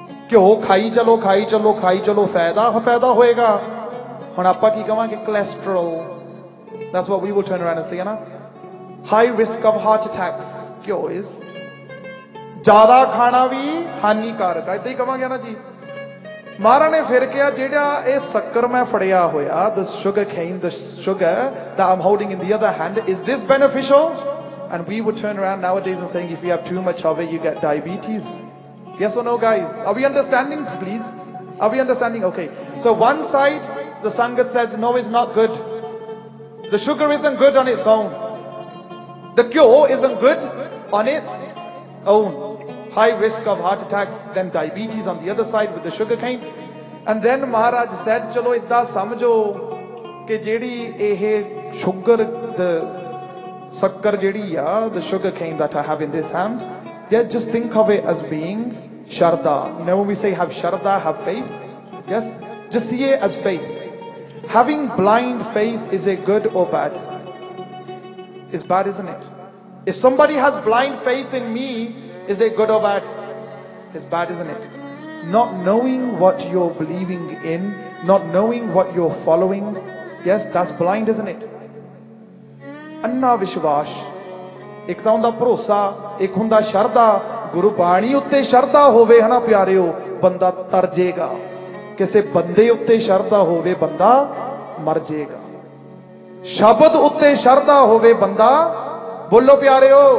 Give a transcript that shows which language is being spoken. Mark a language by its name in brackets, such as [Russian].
[Punjabi] ਘਿਓ ਖਾਈ ਚਲੋ ਖਾਈ ਚਲੋ ਖਾਈ ਚਲੋ ਫਾਇਦਾ ਫਾਇਦਾ ਹੋਏਗਾ ਹੁਣ ਆਪਾਂ ਕੀ ਕਵਾਂਗੇ cholesterol [English] that's what we will turn around and say ਨਾ high risk of heart attacks [Punjabi] ਘਿਓ ਇਜ਼ ਜ਼ਿਆਦਾ ਖਾਣਾ ਵੀ ਹਾਨੀਕਾਰਕ ਇੱਦਾਂ ਹੀ ਕਵਾਂਗੇ ਨਾ ਜੀ ਮਹਾਰਾਜ ਨੇ ਫਿਰ ਕਿਹਾ ਜਿਹੜਾ ਇਹ ਸੱਕਰ ਮੈਂ ਫੜਿਆ ਹੋਇਆ [English] The sugar cane the sugar that I'm holding in the other hand is this beneficial and we will turn around nowadays and saying if you have too much of it you get diabetes Yes or no, guys? Are we understanding, please? Are we understanding? Okay. So one side, the Sangha says, no, it's not good. The sugar isn't good on its own. The kyo isn't good on its own. High risk of heart attacks, then diabetes on the other side with the sugar cane. And then Maharaj said, [Punjabi] chalo itta samjho ke jedi ehe [English] sugar, the sakkar jedi ya, the sugar cane that I have in this hand. Yeah, just think of it as being Sharda. You know when we say have Sharda, have faith? Yes? Just see it as faith. Having blind faith, is it good or bad? It's bad, isn't it? If somebody has blind faith in me, is it good or bad? It's bad, isn't it? Not knowing what you're believing in, not knowing what you're following, yes, that's blind, isn't it? [Punjabi] Anna Vishwash. ਇੱਕ ਤਾਂ ਹੁੰਦਾ ਭਰੋਸਾ ਇੱਕ ਹੁੰਦਾ ਸ਼ਰਧਾ ਗੁਰੂ ਬਾਣੀ ਉੱਤੇ ਸ਼ਰਧਾ ਹੋਵੇ ਹਨਾ ਪਿਆਰਿਓ ਬੰਦਾ ਤਰ ਜਾਏਗਾ ਕਿਸੇ ਬੰਦੇ ਉੱਤੇ ਸ਼ਰਧਾ ਹੋਵੇ ਬੰਦਾ ਮਰ ਜਾਏਗਾ ਸ਼ਬਦ ਉੱਤੇ ਸ਼ਰਧਾ ਹੋਵੇ ਬੰਦਾ ਬੋਲੋ ਪਿਆਰਿਓ